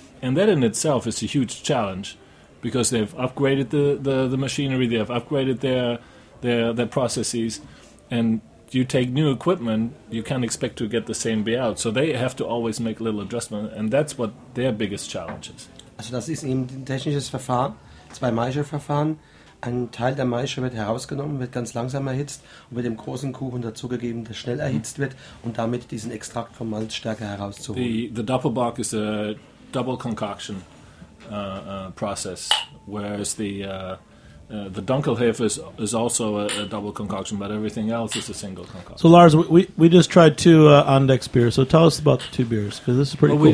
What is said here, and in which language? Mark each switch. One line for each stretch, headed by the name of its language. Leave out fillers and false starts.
English: And that in itself is a huge challenge, because they've upgraded the machinery, they have upgraded their processes, and you take new equipment, you can't expect to get the same beer out. So they have to always make little adjustments, and that's what their biggest challenge is.
German: Also das ist eben ein technisches Verfahren, zwei Maischeverfahren. Ein Teil der Maische wird herausgenommen, wird ganz langsam erhitzt und wird dem großen Kuchen dazugegeben, der schnell erhitzt wird, um damit diesen Extrakt vom Malz stärker herauszuholen.
English: The Doppelbock is a double concoction process, whereas the Dunkelhefe is also a double concoction, but everything else is a single concoction. So Lars, we just tried two Andex beers. So tell us about the two beers, because this is pretty cool.